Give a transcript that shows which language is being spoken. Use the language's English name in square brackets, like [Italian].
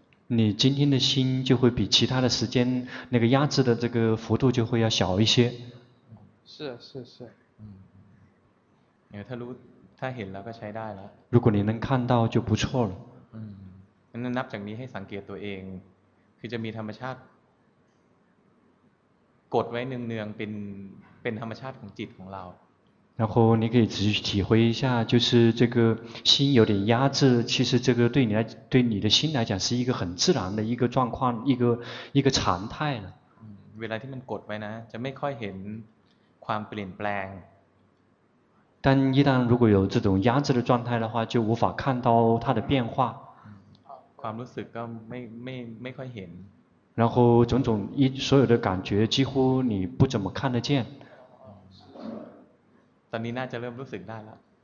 [Chinese] ๆ你今天的心就会比其他的时间那个压制的这个幅度就会要小一些是是是 [Thai] 嗯ถ้ารู้ถ้าเห็นแล้วก็ใช้ได้แล้ว [Chinese] 如果你能看到就不错了 [Thai] นั้นนับจากนี้ให้สังเกตตัวเองคือจะมีธรรมชาติกดไว้เนืองๆเป็นธรรมชาติของจิตของเรา [Chinese] 然后你可以仔细体会一下就是这个心有点压制其实这个对你的心来讲是一个很自然的一个状况一个常态了 [Thai] เวลาที่มันกดไว้นะจะไม่ค่อยเห็นความเปลี่ยนแปลง [Chinese] 但一旦如果有这种压制的状态的话就无法看到它的变化 [Thai] ความรู้สึกก็ไม่ค่อยเห็น [Chinese] 然后种种一所有的感觉几乎你不怎么看得见 [Thai] ตอนนี้น่าจะเริ่มรู้สึกได้แล้ว